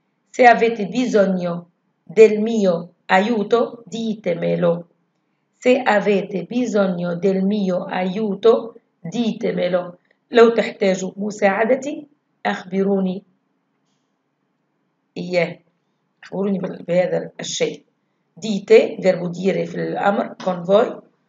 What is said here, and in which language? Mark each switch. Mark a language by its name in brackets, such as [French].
[Italian] Se avete bisogno del mio aiuto, ditemelo. Se avete bisogno del mio aiuto, ditemelo. [Arabic] لو تحتاجوا مساعدتي اخبروني. Yeah. اخبروني بهذا الشيء. [Italian] Dite, verbo dire [Arabic] في الامر [Italian] con voi.